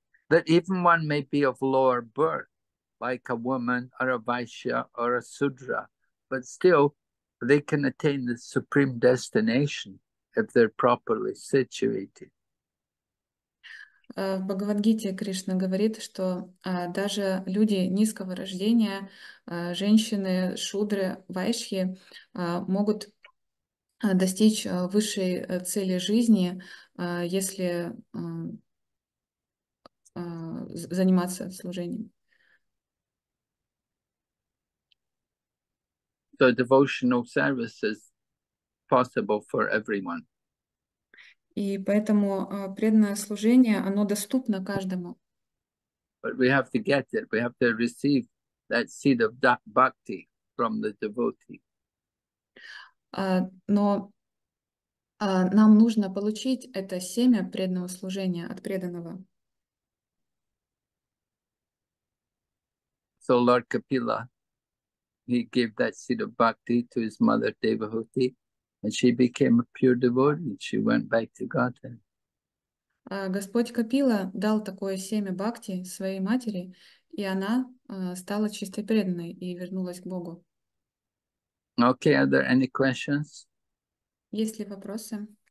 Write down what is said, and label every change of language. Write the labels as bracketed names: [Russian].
[English] That even one may be of lower birth, like a woman or a vaishya or a sudra, but still they can attain the supreme destination if they're properly situated. [Russian] В Бхагавадгите Кришна говорит, что даже люди низкого рождения, женщины, шудры, вайшхи, могут достичь высшей цели жизни, если заниматься служением. [English] So devotional service is possible for everyone. [Russian] И поэтому преданное служение, оно доступно каждому. [English] But we have to get it. We have to receive that seed of bhakti from the devotee. [Russian] Но нам нужно получить это семя преданного служения от преданного. [English] So Lord Kapila, he gave that seed of bhakti to his mother Devahuti, and she became a pure devotee. She went back to Godhead. [Russian] Господь Капила дал такое семя бхакти своей матери, и она стала чистой преданной и вернулась к Богу. [English] Okay, are there any questions? [Russian] Есть ли вопросы?